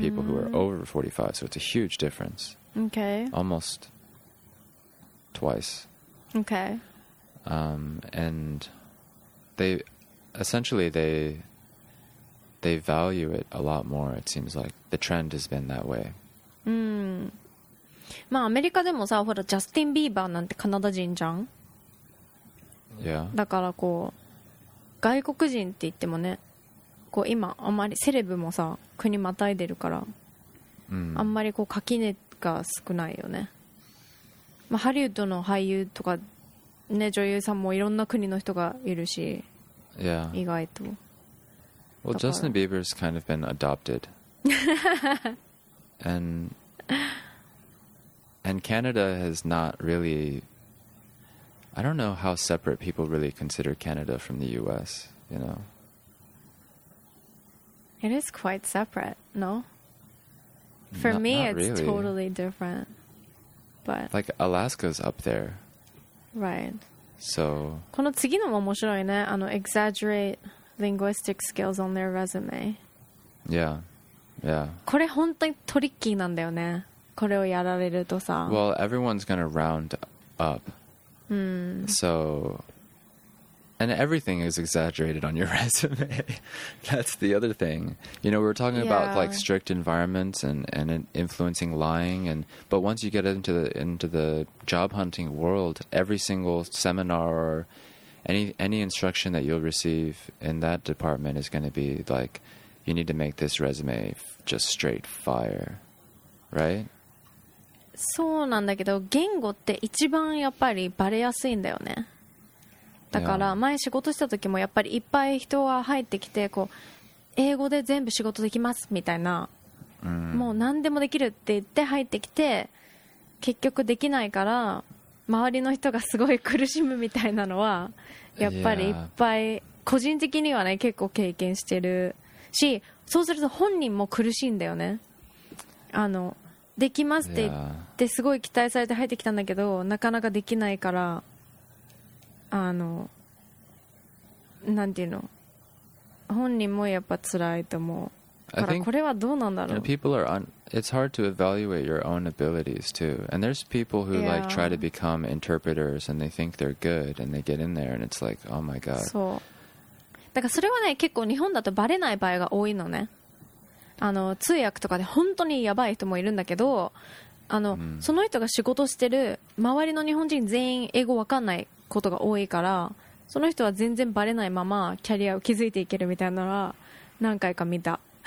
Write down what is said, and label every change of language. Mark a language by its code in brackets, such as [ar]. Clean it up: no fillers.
[en] people who are over 45. So it's a huge difference. Okay. Almost twice. Okay. And they, essentially they value it a lot more. It seems like the trend has been that way. Hmm. [ja] まあアメリカでもさ、ほらジャスティン・ビーバーなんてカナダ人じゃん、 [en] yeah. [ja] だからこう外国人って言ってもね、こう今あまりセレブもさ国またいでるから、 mm. あんまりこう垣根が少ないよね、まあ、ハリウッドの俳優とか、ね、女優さんもいろんな国の人がいるし、 [en] yeah. [ja] 意外と [en] Well, Justin Bieber's kind of been adopted And Canada has not really... I don't know how separate people really consider Canada from the U.S., you know? It is quite separate, no? For me, it's、 really. totally different. But... Like, Alaska's up there. Right. So... [ja] この次のも面白いね。 [en] あの、exaggerate linguistic skills on their resume. Yeah. Yeah. [ja] これ本当にトリッキーなんだよね。これをやられるとさ、 [en] Well, everyone's gonna round up.、うん、 so, and everything is exaggerated on your resume. That's the other thing. You know, we're talking、 yeah. about like strict environments and influencing lying. And but once you get into the job hunting world, every single seminar or any instruction that you'll receive in that department is going to be like, you need to make this resume just straight fire, right? [ja] そうなんだけど、言語って一番やっぱりバレやすいんだよね。だから前仕事した時もやっぱりいっぱい人が入ってきて、こう英語で全部仕事できますみたいな、もう何でもできるって言って入ってきて、結局できないから周りの人がすごい苦しむみたいなのはやっぱりいっぱい個人的にはね結構経験してるし、そうすると本人も苦しいんだよね。あのできますって言ってすごい期待されて入ってきたんだけどなかなかできないから、あのなんていうの、本人もやっぱ辛いと思う。 [en] I think [ja] これはどうなんだろう? [en] You know, people are it's hard to evaluate your own abilities too. And there's people who like try to become interpreters and they think they're good and they get in there and it's like, oh my god. [ja] そう。だからそれはね、結構日本だとバレない場合が多いのね。あの、通訳とかで本当にやばい人もいるんだけど、あの、mm. その人が仕事してる周りの日本人全員英語わかんないことが多いから、その人は全然バレないままキャリアを築いていけるみたいなのは何回か見た。